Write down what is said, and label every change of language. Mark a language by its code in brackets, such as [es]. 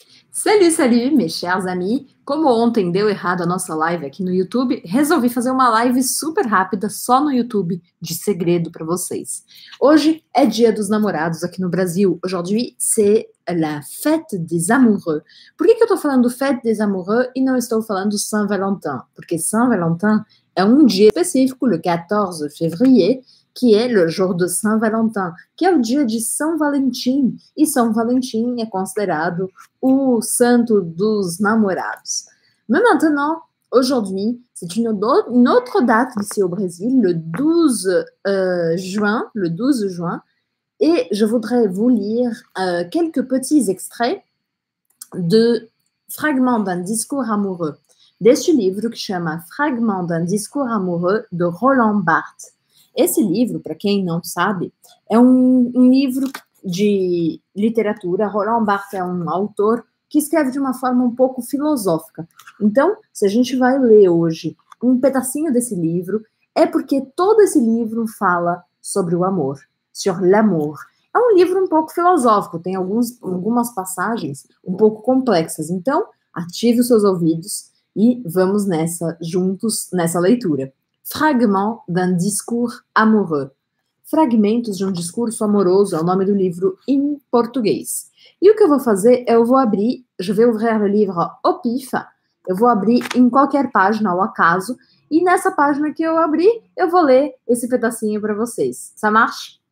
[fr] Salut, salut, mes chers amis! [pt] Como ontem deu errado a nossa live aqui no YouTube, resolvi fazer uma live super rápida só no YouTube, de segredo para vocês. Hoje é dia dos namorados aqui no Brasil. [fr] Aujourd'hui, c'est la fête des amoureux. [pt] Por que que eu tô falando [fr] fête des amoureux [pt] e não estou falando Saint-Valentin? Porque Saint-Valentin é um dia específico, [fr] le 14 février, [pt] que é o [fr] jour de Saint-Valentin, [pt] que é o dia de São Valentim, e São Valentim é considerado o santo dos namorados. [fr] Mais maintenant, aujourd'hui, c'est une autre date ici au Brésil, le 12 juin, et je voudrais vous lire quelques petits extraits de fragments d'un discours amoureux, [pt] deste livro que chama [fr] Fragments d'un discours amoureux de Roland Barthes. [pt] Esse livro, para quem não sabe, é um livro de literatura. Roland Barthes é um autor que escreve de uma forma um pouco filosófica. Então, se a gente vai ler hoje um pedacinho desse livro, é porque todo esse livro fala sobre o amor, [fr] sur l'amour. [pt] É um livro um pouco filosófico, tem algumas passagens um pouco complexas. Então, ative os seus ouvidos e vamos nessa juntos nessa leitura. [fr] Fragments d'un discours amoureux. [pt] Fragmentos de um discurso amoroso é o nome do livro em português. E o que eu vou fazer é eu vou abrir, [fr] je vais ouvrir [pt] o livro au pif, eu vou abrir em qualquer página ao acaso, e nessa página que eu abri, eu vou ler esse pedacinho para vocês. [fr] Ça marche?